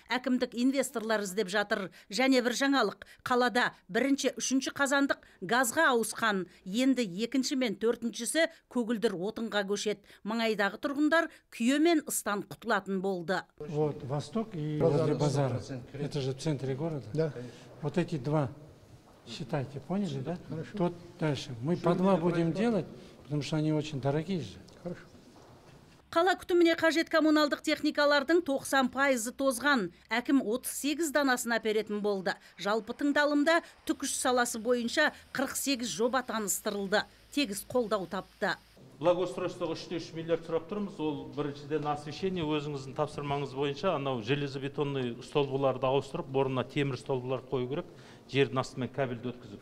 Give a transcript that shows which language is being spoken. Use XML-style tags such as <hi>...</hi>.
<kk>Әкімдік инвесторлар іздеп жатыр. Және бір жаңалық, қалада бірінші, үшінші қазандық газға ауысқан. Енді екінші мен төртіншісі көгілдір отынға көшет. Маңайдағы тұрғындар күйе мен ыстан құтылатын болды.</kk> <ru>Вот Восток и Базар. Это же в центре города. Да. Вот эти два считайте, поняли, да? Тот дальше. Мы по два будем делать, потому что они очень дорогие же.</ru> <kk>Қала күтіміне қажет коммуналдық техникалардың 90% тозған, әкім 38 данасына беретін болды. Жалпы тыңдалымда түкіш саласы бойынша 48 жоба таныстырылды. Тегіс қолдау тапты. Благоустройствоға 3-3 миллиард сұрап тұрмыз. Ол біріншіден освещение өзіңіздің тапсырмаңыз бойынша анау железобетонный столбыларды ауыстырып, орнына темір столбылар қою керек, жердің астымен кабельді өткізіп.</kk>